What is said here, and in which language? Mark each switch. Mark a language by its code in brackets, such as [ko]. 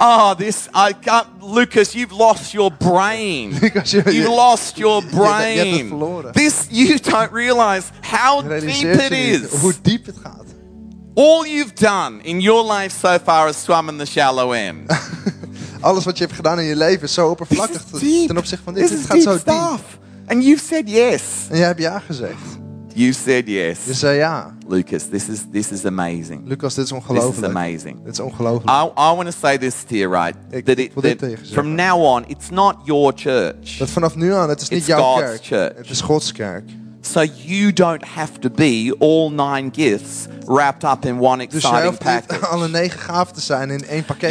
[en] Oh, this, I can't, Lucas, you've lost your brain. You lost your brain. This, you don't realize how deep it is. [nl] Hoe diep het gaat. [en] All you've done in your life so far is swum in the shallow end. [nl] Alles wat je hebt gedaan in je leven is zo oppervlakkig ten opzichte van dit. Dit gaat zo [en] diep. And you've said yes. [nl] En jij hebt ja gezegd. [en] You said yes. [nl] Je zei ja. [en] Lucas, this is amazing. [nl] Lucas, dit is ongelooflijk. [en] This is amazing. [nl] Dit is ongelooflijk. [en] I want to say this to you, right? [nl] Ik wil dit tegen je zeggen. [en] From now on, it's not your church. [nl] Dat vanaf nu aan, het is niet [en] it's [nl] jouw [en] God's [nl] kerk. [en] Church. [nl] Het is Gods kerk. [en] So you don't have to be all 9 gifts wrapped up in one exciting package. [nl] Dus je hoeft niet alle 9 gaven te zijn in één pakket.